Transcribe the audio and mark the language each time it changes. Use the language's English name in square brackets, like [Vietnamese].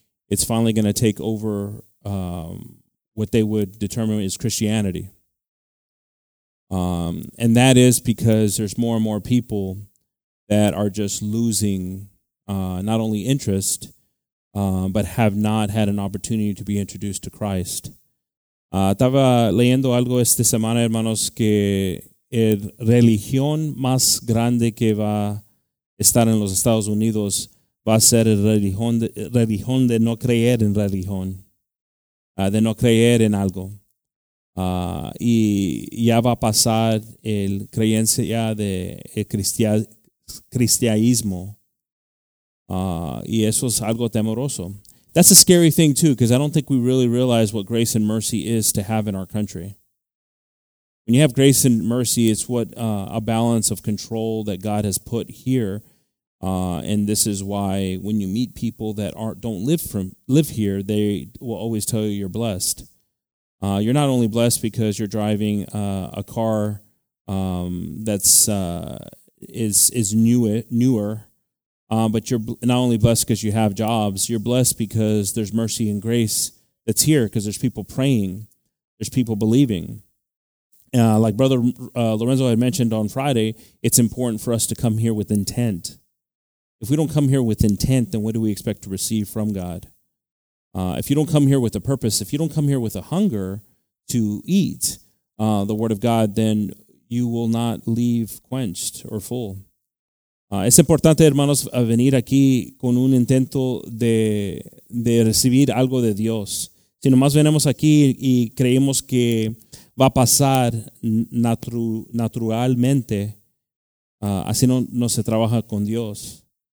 [English] It's finally going to take over what they would determine is Christianity. And that is because there's more and more people that are just losing not only interest, but have not had an opportunity to be introduced to Christ. [Spanish] Estaba leyendo algo esta semana, hermanos, que el religión más grande que va a estar en los Estados Unidos va a ser el religión de no creer en religión, de no creer en algo. Y ya va a pasar el creencia de el cristianismo. Y eso es algo temeroso. [English] That's a scary thing, too, because I don't think we really realize what grace and mercy is to have in our country. When you have grace and mercy, it's what a balance of control that God has put here. And this is why when you meet people that don't live here, they will always tell you you're blessed. You're not only blessed because you're driving a car that's newer. But you're not only blessed because you have jobs, you're blessed because there's mercy and grace that's here because there's people praying, there's people believing. Like Brother Lorenzo had mentioned on Friday, it's important for us to come here with intent. If we don't come here with intent, then what do we expect to receive from God? If you don't come here with a purpose, if you don't come here with a hunger to eat the Word of God, then you will not leave quenched or full. [Spanish] Es importante, hermanos, a venir aquí con un intento de recibir algo de Dios. Si nomás venimos aquí y creemos que va a pasar naturalmente, así no se trabaja con Dios.